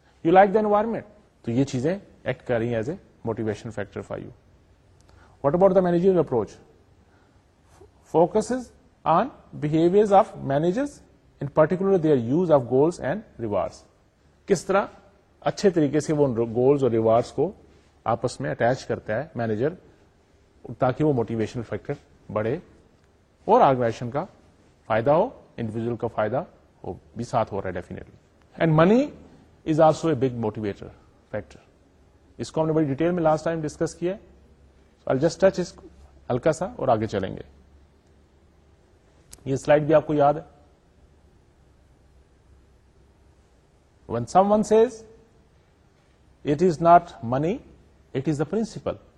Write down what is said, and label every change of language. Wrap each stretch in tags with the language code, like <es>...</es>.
<en>you like the environment</en> <ur>to ye cheeze act kar rahi</ur> <en>as a motivation factor for you what about the managerial approach focuses on behaviors of managers In particular, their use of goals and rewards.</en> <ur>کس طرح اچھے طریقے سے وہ goals اور rewards کو آپس میں attach کرتا ہے manager تاکہ وہ motivational factor بڑھے اور organization کا فائدہ ہو individual کا فائدہ ہو بھی ساتھ ہو رہا ہے definitely.</ur> <en>And money is also a big motivator factor.</en> <ur>اس کو ہم نے بڑی ڈیٹیل میں لاسٹ ٹائم ڈسکس کیا ہے</ur> <en>I'll just touch</en> <ur>اس ہلکا سا اور آگے چلیں گے یہ سلائڈ بھی آپ کو یاد ہے</ur> <en>When someone says, it is not money, it is the principle.</en>